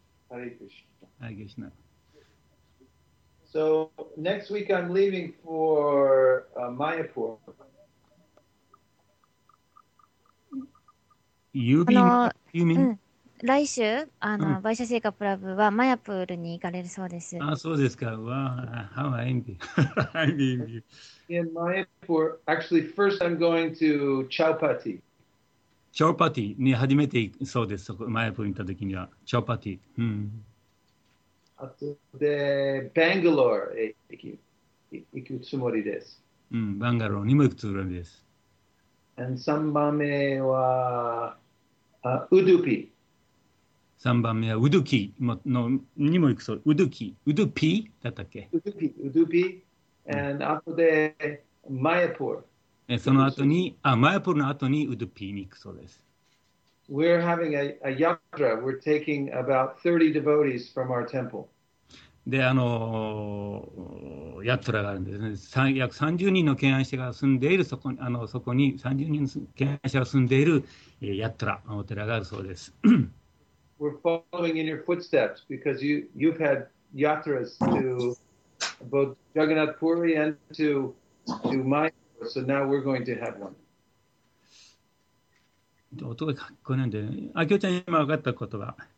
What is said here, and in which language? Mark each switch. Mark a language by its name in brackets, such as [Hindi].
[English] ハリクシナ。So next week I'm leaving for、Mayapur. You mean? You mean?、 [Japanese] うん、来週あの、うん、バイシャシェイカプラブはマヤプールに行かれるそうです。あ、そうですか。わあ、ハワイに。ハワイに。 [English] In Mayapur, actually, first I'm going to Chaupati. [Japanese] Chaupati に初めて行くそうです。マヤプールに行った時には。 Chaupati。 うん。あとで、Bangalore へ行くつもりです。うん、バンガローにも行くつもりです。 And 三番目は、Udupi。 3番目はウドゥキのにも行くそう。ウドゥキ、ウドゥピだったっけ？ [English] ウドゥピ、ウドゥピ、and after the Mayapur。 [Japanese] その後に、あ、マヤポールの後にウドゥピに行くそうです。 [English] We're having a yatra. We're taking about 30 devotees from our temple. [Japanese] で、あのヤトラがあるんですね。約30人の敬愛者が住んでいるそこに、あのそこに30人の敬愛者が住んでいるヤトラ、お寺があるそうです。 [English] We're following in your footsteps because you've had yatras to both Jagannath Puri and to Mayapur. So now we're going to have one. [Japanese] 音が聞こえないんで、あきおちゃん今分かった言葉。